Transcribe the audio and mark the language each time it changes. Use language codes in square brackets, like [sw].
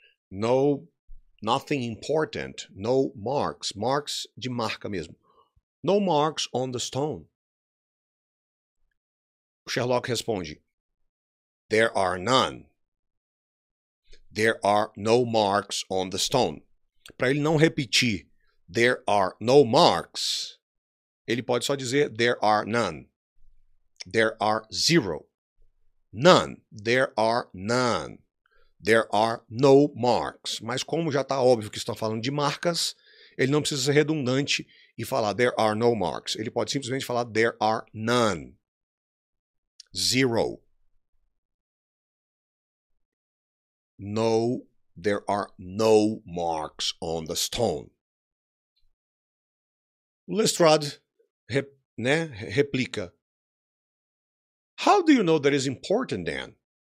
[en] No, nothing important. No marks. Marks [pt] de marca mesmo. [en] No marks on the stone. Sherlock responde. There are none. There are no marks on the stone. [pt] Para ele não repetir, [en] there are no marks, [pt] ele pode só dizer, [en] there are none. [pt] There are zero. None. There are none. There are no marks. Mas como já está óbvio que estão falando de marcas, ele não precisa ser redundante e falar [en] there are no marks. [pt] Ele pode simplesmente falar [en] there are none. [pt] Zero. [en] No, there are no marks on the stone. Lestrade replica. How do you know that is important, Dan?